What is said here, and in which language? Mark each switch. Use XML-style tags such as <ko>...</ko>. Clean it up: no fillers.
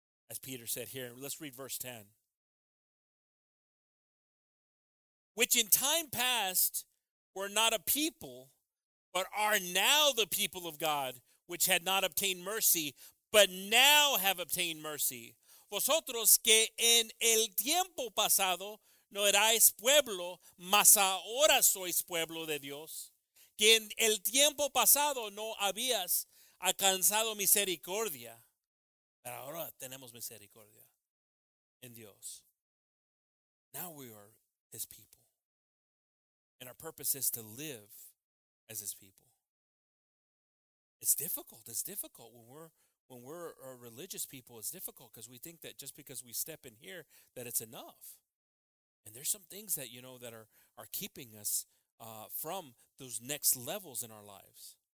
<en>As Peter said here, let's read verse 10. Which in time past were not a people, but are now the people of God, which had not obtained mercy, but now have obtained mercy.</en> <es>Vosotros que en el tiempo pasado no erais pueblo, mas ahora sois pueblo de Dios. Que en el tiempo pasado no habías alcanzado misericordia, pero ahora tenemos misericordia en Dios.</es> <en>Now we are his people. And our purpose is to live as his people. It's difficult. It's difficult when we're a religious people. It's difficult because we think that just because we step in here that it's enough. And there's some things that, you know, that are keeping us from those next levels in our lives.</en>